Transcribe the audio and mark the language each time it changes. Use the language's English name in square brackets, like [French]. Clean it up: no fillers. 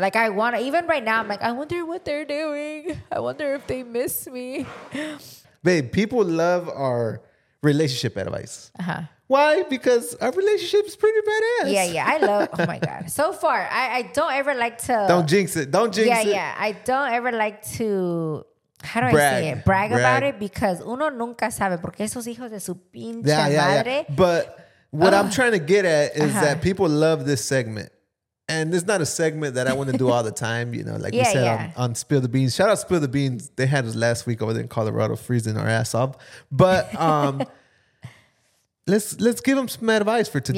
[English] Like I want to, even right now, I'm like, I wonder what they're doing. I wonder if they miss me. Babe, people love our relationship advice. Uh-huh. Why? Because our relationship is pretty badass. Yeah. I love, oh my God. So far, I don't ever like to. Don't jinx it. Yeah. I don't ever like to. How do brag. I say it? Brag about it because [Spanish] uno nunca sabe porque esos hijos de su pinche madre. [English] But what I'm trying to get at is that people love this segment. And it's not a segment that I want to do all the time, you know, like we said on Spill the Beans. Shout out Spill the Beans. They had us last week over there in Colorado freezing our ass off. But let's give them some advice for today.